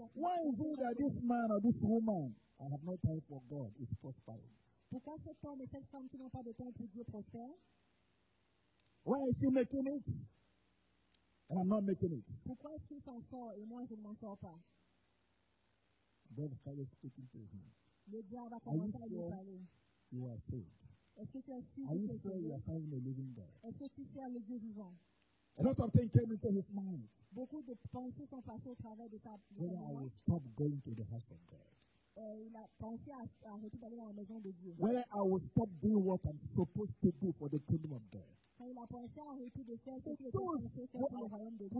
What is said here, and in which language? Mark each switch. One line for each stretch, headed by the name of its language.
English: Why is it that this man or this woman, I have no time for God, is prospering?
French: Pourquoi cet homme et cette femme qui n'ont pas de temps pour Dieu prospère?
English: Why is he making it? And I'm not making it.
French: Pourquoi est-ce qu'il s'en sort et moi je ne m'en sors pas?
English: God started speaking to him.
French: Le diable a commencé à lui parler.
English: You are saved.
French: Est-ce que tu es sûr?
English: Are you sure you are serving a living God?
French: Est-ce que tu sers le Dieu vivant?
English: A lot of things came into his mind.
French: Beaucoup de pensées sont passées au travers de sa tête.
English: When I will stop going to the house of God.
French: Il a pensé à arrêter d'aller à la maison de Dieu.
English: When I will stop doing what I'm supposed to do for the kingdom of God.
French: Quand il a pensé à arrêter de faire ce qu'il est censé faire pour le royaume de Dieu.